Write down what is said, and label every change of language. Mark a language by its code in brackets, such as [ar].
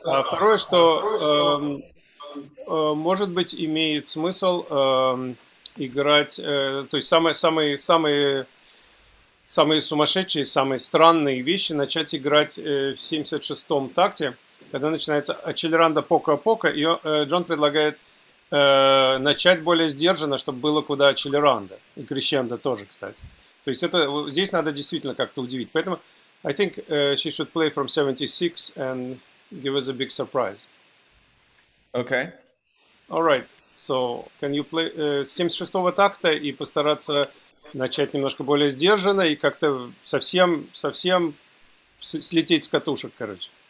[ru] А второе, что может быть имеет смысл играть, то есть самые сумасшедшие, самые странные вещи начать играть в 76-м такте, когда начинается accelerando poco-poco, и Джон предлагает начать более сдержанно, чтобы было куда accelerando, и crescendo тоже, кстати. То есть это здесь надо действительно как-то удивить. Поэтому [en] I think she should play from 76 and give us a big surprise. Okay. All right. So, can you play [ru] 76-го такта и постараться начать немножко более сдержанно и как-то совсем слететь с катушек, короче.